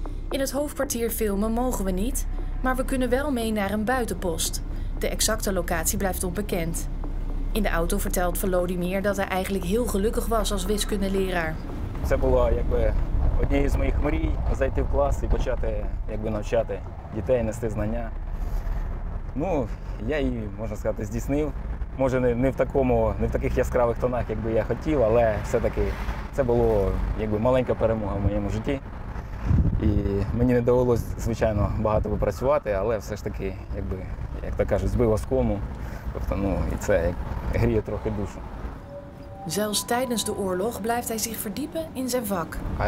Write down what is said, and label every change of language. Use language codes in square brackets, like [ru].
[nl] in het hoofdkwartier filmen mogen we niet, maar we kunnen wel mee naar een buitenpost. De exacte locatie blijft onbekend. In de auto vertelt Volodymyr dat hij eigenlijk heel gelukkig was als wiskundeleraar. [uk] Це було якби однією з моїх мрій зайти в клас і почати якби навчати дітей, нести знання. Ну, я її, можна сказати, здійснив. Може, не в таких яскравих тонах, як би я хотів, але все-таки це було якби маленька перемога в моєму житті. І мені не довелось, звичайно, багато попрацювати, але все ж таки, якби, як то кажуть, збив оскому. Тобто, ну, і це гріє трохи душу. [nl] Zelfs tijdens de oorlog blijft hij zich verdiepen in zijn vak.